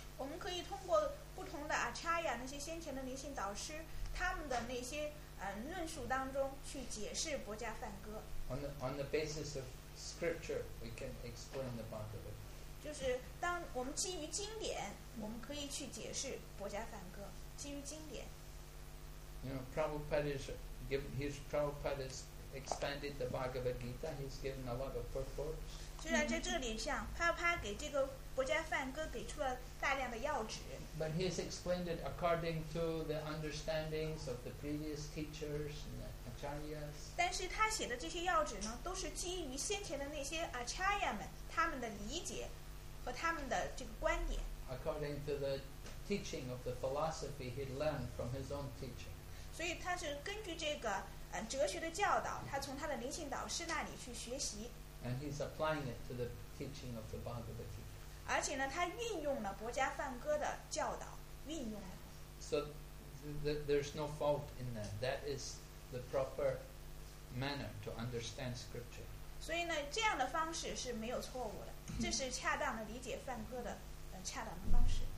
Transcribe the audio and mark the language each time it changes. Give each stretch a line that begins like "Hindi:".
Chinese: 我们可以通过不同的 acharya 那些先前的灵性导师他们的那些论述当中去解释《博迦梵歌》。
English: On the basis of scripture, we can explain the Bhagavad Gita.
Chinese: 就是当我们基于经典，我们可以去解释《博迦梵歌》，基于经典。
English: You know, Prabhupada has expanded the Bhagavad Gita. He's given a lot of purports.
Chinese: 就像在这里上，帕帕给这个《博迦梵歌》给出了大量的要旨。
English: But he has explained it according to the understandings of the previous teachers and the acharyas.
Chinese: 但是他写的这些要旨呢，都是基于先前的那些 acharya 们他们的理解和他们的这个观点。
English: According to the teaching of the philosophy he learned from his own teacher.
Chinese: 所以他是根据这个哲学的教导，他从他的灵性导师那里去学习。
English: And he's applying it to the teaching of the Bhagavad Gita.
Chinese: 而且呢，他运用了《博迦梵歌》的教导，运用了。
English: So there's no fault in that. That is the proper manner to understand scripture.
Chinese: 所以呢，这样的方式是没有错误的，这是恰当的理解梵歌的恰当的方式。